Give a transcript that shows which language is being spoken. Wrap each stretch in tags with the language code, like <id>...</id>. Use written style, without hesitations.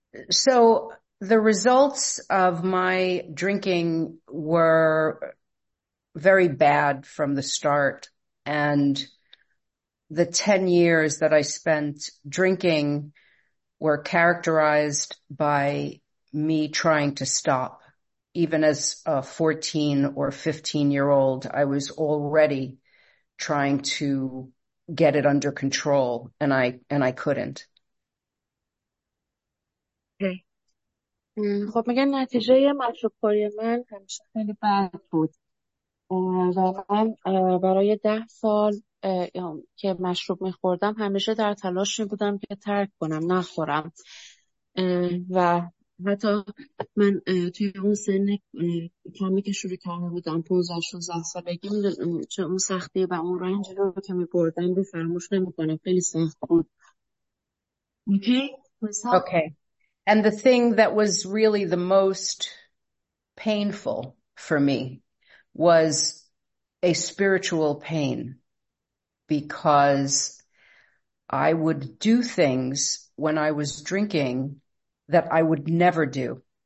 <en>So the results of my drinking were very bad from the start, and the 10 years that I spent drinking were characterized by me trying to stop. Even as a 14 or 15 year old, I was already trying to get it under control, and I couldn't. Okay.</en> <fa>خب میگن نتیجه مشروب‌خوری من همیشه خیلی بد بود. واقعا برای 10 سال که مشروب میخوردم همیشه در تلاش بودم که ترک کنم، نخورم. و حتی من توی اون سن کمی که شروع کرده بودم، 15-16 سالگی، چه اون سختی و اون رنج رو که می بردم رو فراموش نمی کنم. خیلی سخت بود.</fa> <en>Okay. And the thing that was really the most painful for me was a spiritual pain, because I would do things when I was drinking that I would never do.</en>